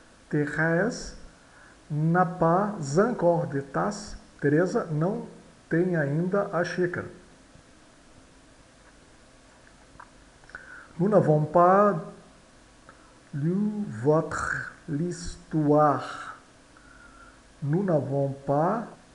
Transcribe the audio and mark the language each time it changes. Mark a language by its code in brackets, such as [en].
[fr] Thérèse n'a pas encore de tasse. [pt] Teresa não tem ainda a xícara. [fr] Nous n'avons pas lu votre histoire. Nous n'avons pas